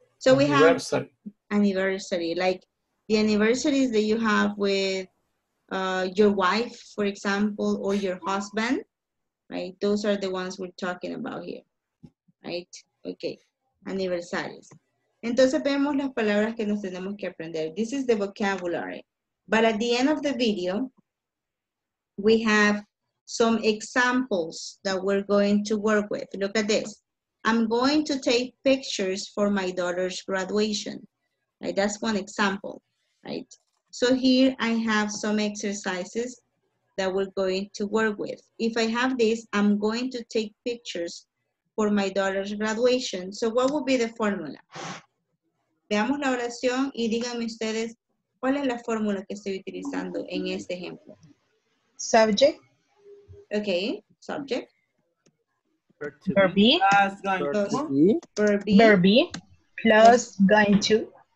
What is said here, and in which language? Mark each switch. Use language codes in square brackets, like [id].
[en] So we have anniversary, like the anniversaries that you have with your wife, for example, or your husband, right? Those are the ones we're talking about here, right? Okay, anniversaries. [es] Entonces vemos las palabras que nos tenemos que aprender. [en] This is the vocabulary. But at the end of the video, we have some examples that we're going to work with. Look at this. I'm going to take pictures for my daughter's graduation. Right? That's one example, right? So here I have some exercises that we're going to work with. If I have this, I'm going to take pictures for my daughter's graduation. So what would be the formula? [es] Veamos la oración y díganme ustedes cuál es la fórmula que estoy utilizando en este ejemplo. [en] Subject. Okay, subject. Verb be. Verb be. Verb be. Plus going to.